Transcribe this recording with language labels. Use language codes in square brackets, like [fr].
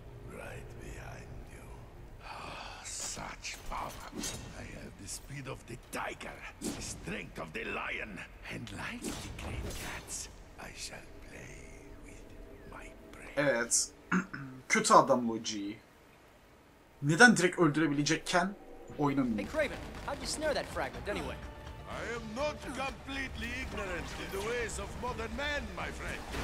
[en] Right behind. Such power. I have the speed of the tiger, the strength of the lion, and like the great cats, I shall play with my prey. [tr] Evet. Kötü adam Logie. Neden direkt öldürebilecekken oynamıyor? [en] Hey Kraven, how'd you snare that fragment anyway? I am not completely ignorant in the ways of modern man, my friend.